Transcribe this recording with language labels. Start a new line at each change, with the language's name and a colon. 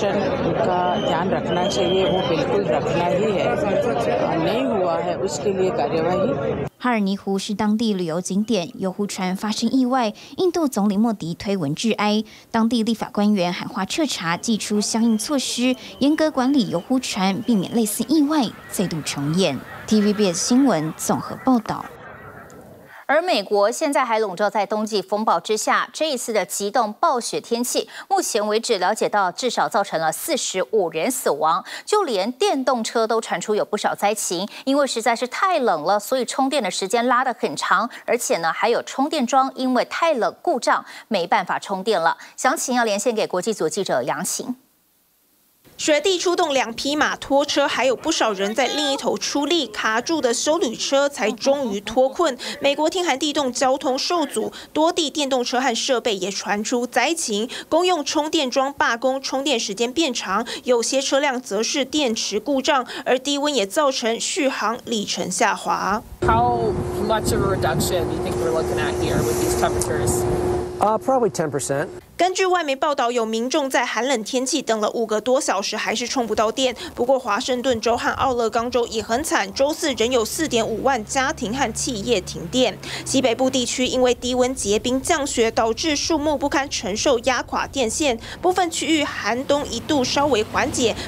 Hindi: उनका ध्यान रखना चाहिए, वो बिल्कुल रखना ही है, नहीं हुआ है उसके लिए कार्यवाही。
Chinese: 哈尔尼湖是当地旅游景点，游湖船发生意外，印度总理莫迪推文致哀，当地立法官员喊话彻查，祭出相应措施，严格管理游湖船，避免类似意外再度重演。 TVBS 新闻综合报道。而美国现在还笼罩在冬季风暴之下，这一次的极冻暴雪天气，目前为止了解到至少造成了45人死亡，就连电动车都传出有不少灾情，因为实在是太冷了，所以充电的时间拉得很长，而且呢还有充电桩因为太冷故障没办法充电了。详情要连线给国际组记者杨晴。雪地出动2匹马拖车，还有不少人在另一头出力，卡住的休旅车才终于脱困。美国天寒地冻，交通受阻，多地电动车和设备也传出灾情，公用充电桩罢工，充电时间变长，有些车辆则是电池故障，而低温也造成续航里程下滑。
English: How much of a reduction do you think we're looking at here with these temperatures? Probably 10%.
Chinese: 根据外媒报道，有民众在寒冷天气等了5个多小时还是充不到电。不过华盛顿州和奥勒冈州也很惨，周四仍有4.5万家庭和企业停电。西北部地区因为低温结冰降雪，导致树木不堪承受压垮电线，部分区域寒冬一度稍微缓解。